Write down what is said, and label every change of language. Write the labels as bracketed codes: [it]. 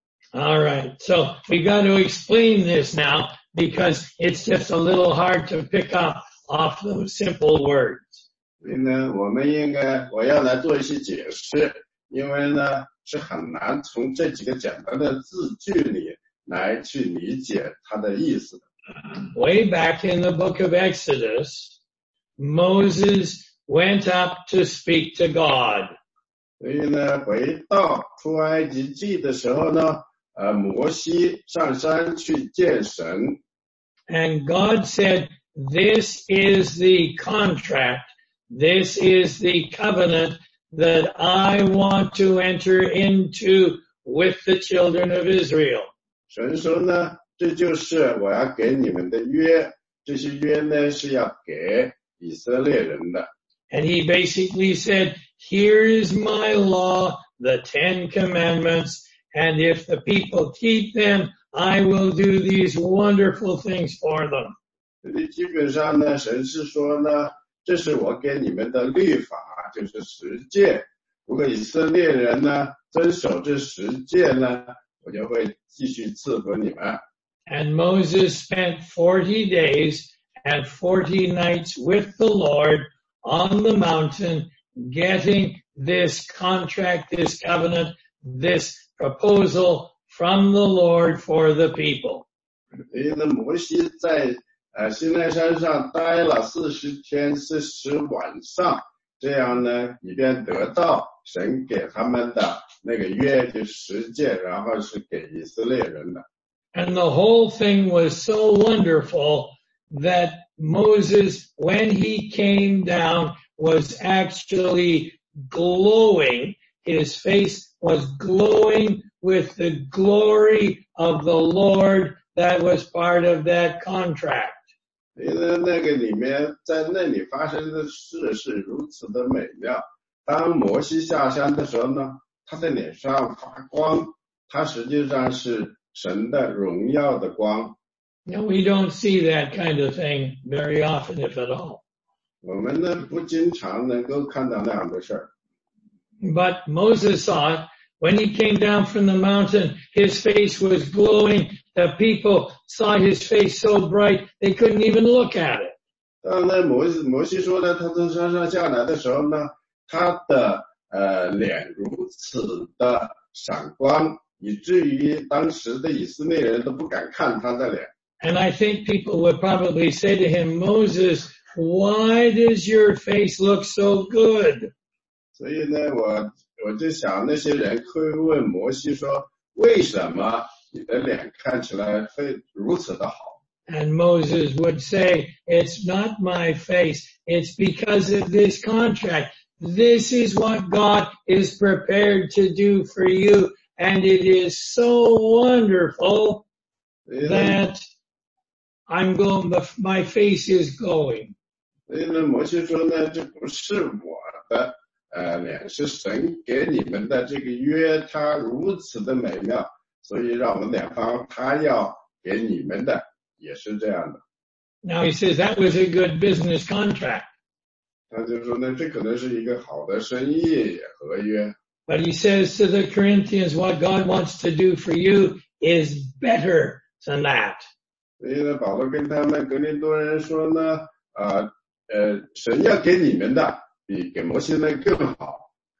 [en] Alright, so we got to explain this now because it's just a little hard to pick up off those simple words. [zh] 因为呢,我要来做一些解释,因为呢,是很难从这几个简单的字句里来去理解它的意思。 [en] Way back in the book of Exodus, Moses went up to speak to God. [zh] 所以呢，回到出埃及记的时候呢，摩西上山去见神。 [en] And God said, "This is the contract. This is the covenant that I want to enter into with the children of Israel." [zh] 神说呢，这就是我要给你们的约。这些约呢，是要给以色列人的。 [en] And he basically said, "Here is my law, the Ten Commandments, and if the people keep them, I will do these wonderful things for them." [zh] 基本上呢，神是说呢，这是我给你们的律法，就是十诫。如果以色列人呢，遵守这十诫呢，我就会继续赐福你们。 [en] And Moses spent 40 days and 40 nights with the Lord on the mountain, getting this contract, this covenant, this proposal from the Lord for the people. [zh] 那摩西在西奈山上待了40天40晚上，这样呢，以便得到神给他们的那个约，就是十诫，然后是给以色列人的。 [en] And the whole thing was so wonderful that Moses, when he came down, was actually glowing. His face was glowing with the glory of the Lord that was part of that contract. [zh] 因为那个里面，在那里发生的事是如此的美妙。当摩西下山的时候呢，他的脸上发光，他实际上是神的荣耀的光。 [en] Now, we don't see that kind of thing very often, if at all. [zh] 我们呢不经常能够看到那样的事儿。 [en] But Moses saw it. When he came down from the mountain, his face was glowing. The people saw his face so bright, they couldn't even look at it. [zh] 当呢摩西说呢，他从山上下来的时候呢，他的脸如此的闪光，以至于当时的以色列人都不敢看他的脸。 [en] And I think people would probably say to him, "Moses, why does your face look so good?" [zh] 所以呢，我就想那些人会问摩西说，为什么你的脸看起来会如此的好？ [en] And Moses would say, "It's not my face. It's because of this contract. This is what God is prepared to do for you, and it is so wonderful that." My face is going. [zh] 所以呢，摩西说呢，这不是我的脸，是神给你们的这个约，它如此的美妙，所以让我们脸方，他要给你们的也是这样的。 [en] Now he says that was a good business contract. [zh] 他就说呢，这可能是一个好的生意合约。 [en] But he says to the Corinthians, what God wants to do for you is better than that. [zh] 所以呢，保罗跟他们格林多人说呢，神要给你们的比给摩西的更好。